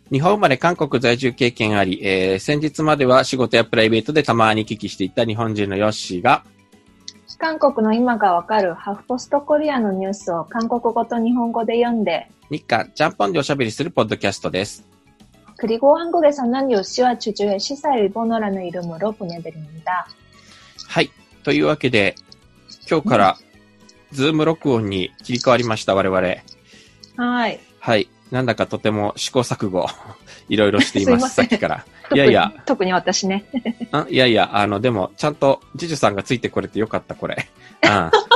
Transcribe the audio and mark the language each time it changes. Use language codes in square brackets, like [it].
[ja] 日本生まれ韓国在住経験あり、先日までは仕事やプライベートでたまに聞きしていた日本人のヨッシーが、韓国の今がわかるハフポストコリアのニュースを韓国語と日本語で読んで、日韓ちゃんぽんでおしゃべりするポッドキャストです。 [ko] 그리고한국에서는요시와주주의시사일본어라는이름으로보내드립니다。 [ja] はい、というわけで今日からズーム録音に切り替わりました我々。はい。はい。なんだかとても試行錯誤いろいろしていますさっきから。いやいや。特に私ね。いやいや、でもちゃんとジュジュさんがついてこれてよかったこれ。うん。